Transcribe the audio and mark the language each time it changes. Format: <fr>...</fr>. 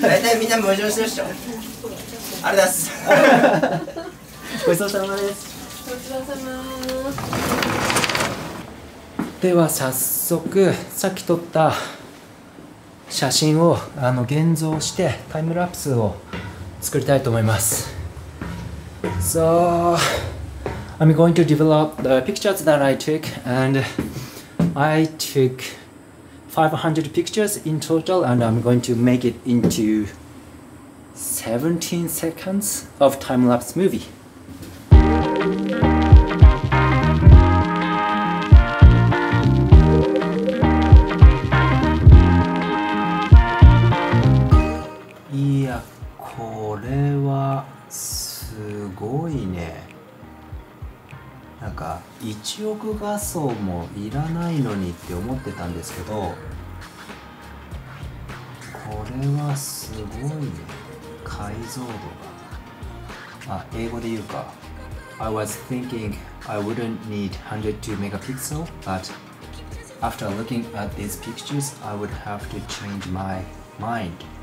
<ja>大体みんな矛盾してるっしょ。ありがとうございます。ごちそうさまです。ごちそうさまでは早速さっき撮った写真を現像してタイムラプスを作りたいと思います。</ja> <en>So I'm going to develop the pictures that I took, and I took 500 pictures in total, and I'm going to make it into 17 seconds of time-lapse movie.</en> <ja>いや、これはすごいね。なんか1億画素もいらないのにって思ってたんですけど、これはすごいね。解像度が、あ、英語で言うか、</ja> <en>I was thinking I wouldn't need 102 megapixel, but after looking at these pictures, I would have to change my mind.</en>